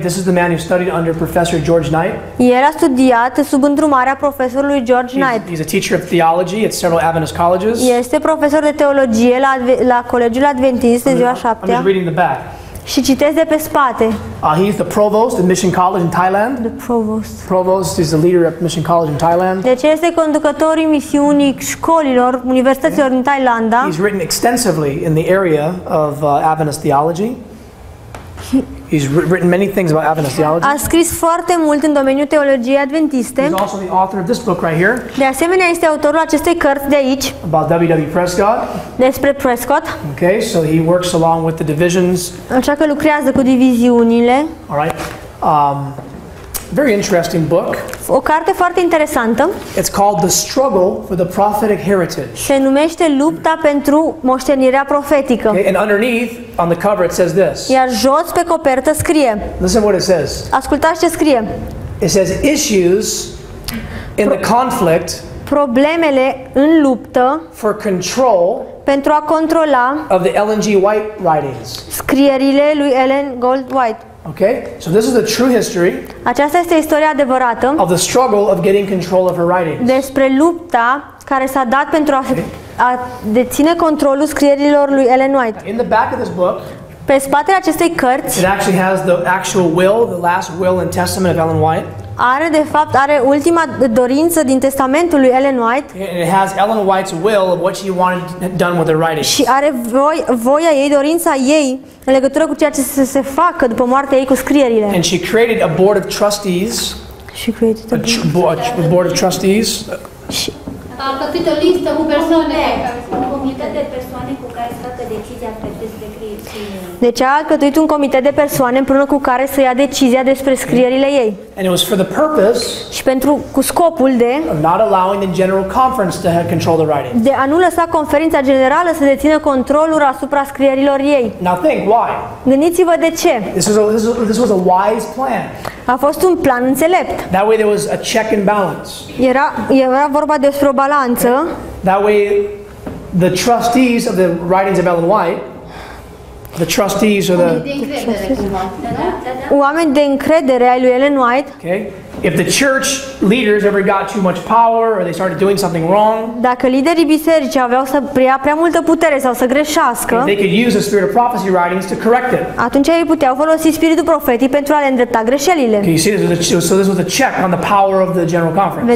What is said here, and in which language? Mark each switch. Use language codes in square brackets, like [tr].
[en] This is the man who studied under Professor George Knight. [ro] El a studiat sub îndrumarea profesorului George Knight. [en] He's a teacher of theology at several Adventist colleges. [ro] Este profesor de teologie la Colegiul Adventist de ziua 7. [en] I'm just reading the back. [ro] Și citesc de pe spate. [en] He's the provost at Mission College in Thailand. The provost is the leader of Mission College in Thailand. [ro] Deci este conducătorul misiunii școlilor, universităților în Thailanda. [en] He's written extensively in the area of Adventist theology. He's written many things about Adventist theology. [ro] A scris foarte mult în domeniul teologiei adventiste. [en] He's also the author of this book right here. [ro] De asemenea, este autorul acestei cărți de aici. [en] About W.W. Prescott. [ro] Despre Prescott. [en] Okay, so he works along with the divisions. [ro] Așa că lucrează cu diviziunile. [en] All right. Very interesting book. [ro] O carte foarte interesantă. [en] It's called The Struggle for the Prophetic Heritage. [ro] Se numește Lupta pentru moștenirea profetică. [en] Okay, and underneath on the cover it says this. [ro] Iar jos pe copertă scrie. [en] Listen what it says. [ro] Ascultați ce scrie. [en] It says issues in the conflict. [ro] Problemele în luptă. [en] For control. [ro] Pentru a controla. [en] Of the Ellen G. White writings. [ro] Scrierile lui Ellen G. White. [en] Okay, so this is the true history. [ro] Aceasta este istoria adevărată. [en] Of the struggle of getting control of her writings. [ro] Despre lupta care s-a dat pentru a deține controlul scrierilor lui Ellen White. [en] In the back of this book. [ro] Pe spatele acestei cărți. [en] It actually has the actual will, the last will and testament of Ellen White. [ro] Are de fapt are ultima dorință din testamentul lui Ellen White. [en] It has Ellen White's will of what she wanted done with the writing. [ro] Și are voia ei, dorința ei în legătură cu ceea ce se facă după moartea ei cu scrierile. [en] And she created a board of trustees. She created a board of trustees. [ro] Și a făcut o listă cu persoane, un comitet de persoane cu care să facă decizia despre scrierile. Deci a alcătuit un comitet de persoane împreună cu care să ia decizia despre scrierile ei. [en] And it was for the purpose. [ro] Și pentru cu scopul de [en] not allowing the general conference to have control the writing. [ro] De a nu lăsa conferința generală să dețină controlul asupra scrierilor ei. [en] Now think why. [ro] Gândiți-vă de ce. [en] This was a wise plan. [ro] A fost un plan înțelept. [en] That way there was a check and balance. [ro] Era vorba despre o balanță. [en] That way the trustees of the writings of Ellen White, the trustees or the [ro] oameni de încredere ai lui Ellen White. [en] Okay. If the church leaders ever got too much power or they started doing something wrong, [ro] dacă liderii bisericii aveau să preia prea multă putere sau să greșească, [en] they could use the spirit of prophecy writings to correct it. [ro] Atunci ei puteau folosi spiritul profetic pentru a le îndrepta greșelile. [en] Okay, you see, this was a check on the power of the general conference.